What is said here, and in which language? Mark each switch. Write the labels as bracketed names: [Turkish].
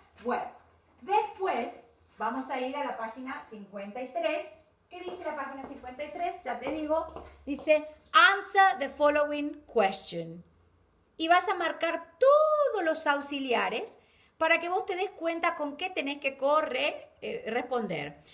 [Spanish] Bueno, después vamos a ir a la página 53. ¿Qué dice la página 53? Ya te digo, dice, [English] answer the following question. [Spanish] Y vas a marcar todos los auxiliares para que vos te des cuenta con qué tenés que responder.